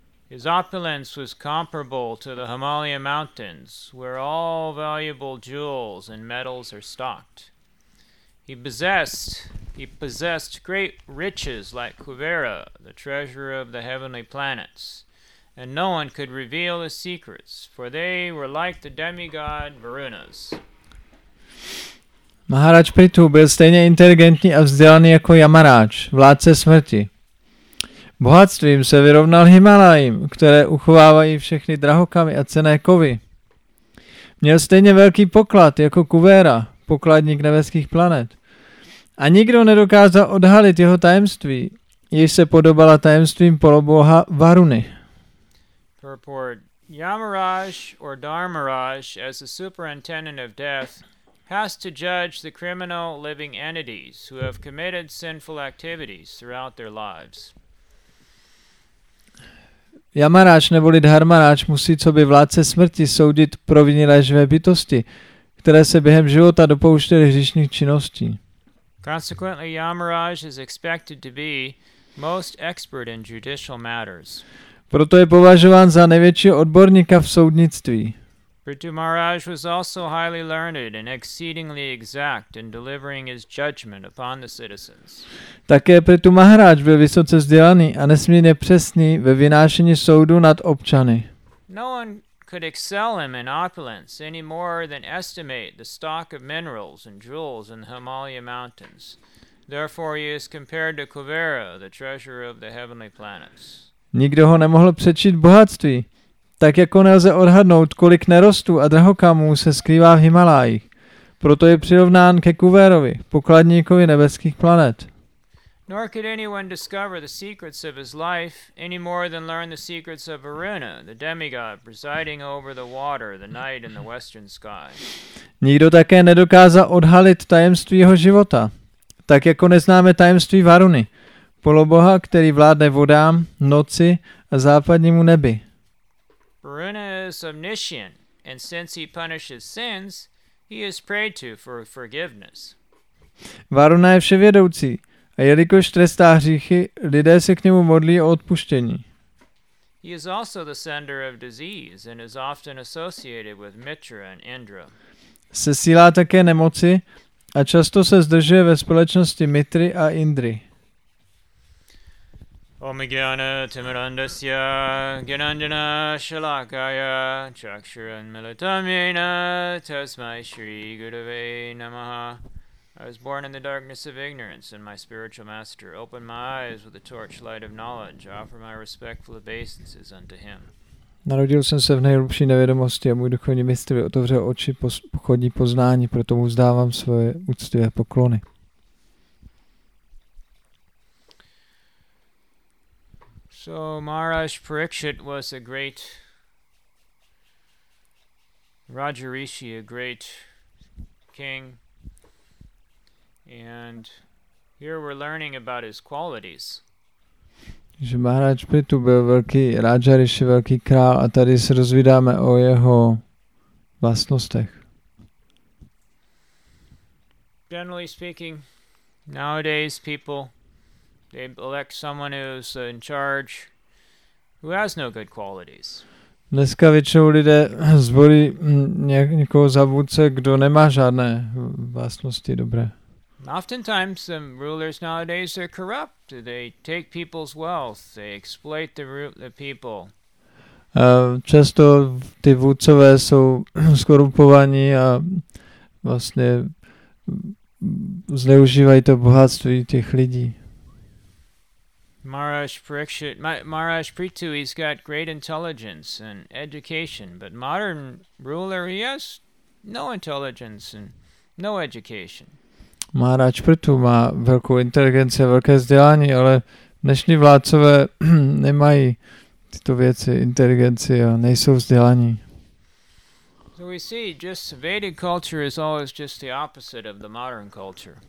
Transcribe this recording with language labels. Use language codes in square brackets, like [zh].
[en] His opulence was comparable to the Himalaya mountains, where all valuable jewels and metals are stocked. He possessed great riches like Kuvera, the treasurer of the heavenly planets, and no one could reveal his secrets, for they were like the demigod Varunas. [cs] Maharaj Prithu byl stejně inteligentní a vzdělaný jako Yamaraj, vládce smrti. Bohatstvím se vyrovnal Himalajím, které uchovávají všechny drahokamy a cenné kovy. Měl stejně velký poklad jako Kuvera, pokladník nebeských planet. A nikdo nedokázal odhalit jeho tajemství, jež se podobala tajemstvím poloboha Varuny. [en] Purport. Yamaraj or Dharmaraj as the superintendent of death has to judge the criminal living entities who have committed sinful activities throughout their lives. [cs] Yamaraj neboli Dharmaraj musí coby vládce smrti soudit provinilé živé bytosti, které se během života dopouštěly hříšných činností. [en] Consequently, Yamaraj is expected to be most expert in judicial matters. [cs] Proto je považován za největšího odborníka v soudnictví. [en] Prithu Maharaj was also highly learned and exceedingly exact in delivering his judgment upon the citizens. [cs] Také Prithu Maharaj byl vysoce vzdělaný a nesmírně přesný ve vynášení soudu nad občany. [en] No one could excel him in opulence any more than estimate the stock of minerals and jewels in the Himalaya mountains. Therefore he is compared to Kuvera, the treasurer of the heavenly planets. [cs] Nikdo ho nemohl přečít bohatství, tak jako nelze odhadnout, kolik nerostů a drahokamů se skrývá v Himalájích. Proto je přirovnán ke Kuvérovi, pokladníkovi nebeských planet. [en] Nor could anyone discover the secrets of his life any more than learn the secrets of Varuna, the demigod presiding over the water, the night and the western sky. [cs] Nikdo také nedokázal odhalit tajemství jeho života, tak jako neznáme tajemství Varuny, poloboha, který vládne vodám, noci a západnímu nebi. [en] Varuna is omniscient, and since he punishes sins, he is prayed to for forgiveness. [cs] Varuna je vševědoucí. A jelikož trestá hříchy, lidé se k němu modlí o odpuštění. [en] He is also the sender of disease and is often associated with Mitra and Indra. [cs] Sesílá také nemoci a často se zdržuje ve společnosti Mitry a Indry. [sa] Om Gyana Timurandasya Gyanandana Shalakaya Chakshuran Militam Yena Tasmai Shri Gurave Namaha. [en] I was born in the darkness of ignorance, and my spiritual master opened my eyes with the torchlight of knowledge. I offer my respectful obeisances unto him. [cs] Narodil jsem se v nejhlubší nevědomosti a můj duchovní mistr otevřel oči pochodní poznání, proto mu vzdávám svoje úctivé poklony. [en] So Maharaj Parikshit was a great Rajarishi, a great king. And here we're learning about his qualities. [cs] Že Maharaj Prithu byl velký Rajarishi, velký král, a tady se rozvídáme o jeho vlastnostech. [en] Generally speaking, nowadays people They elect someone who's in charge, who has no good qualities. [cs] Dneska většinou lidé zvolí někoho za vůdce, kdo nemá žádné vlastnosti dobré. [en] Oftentimes the rulers nowadays are corrupt. They take people's wealth. They exploit the people. [cs] Často ty vůdcové jsou skorumpovaní a vlastně zneužívají to bohatství těch lidí. [en] Maharaj Prithu, he's got great intelligence and education, but modern ruler, he has no intelligence and no education. [cs] Maharaj Prithu má velkou inteligenci a velké vzdělání, ale dnešní vládcové nemají tyto věci, inteligenci a nejsou vzdělaní. [en] So we see just Vedic culture is always just the opposite of the modern culture.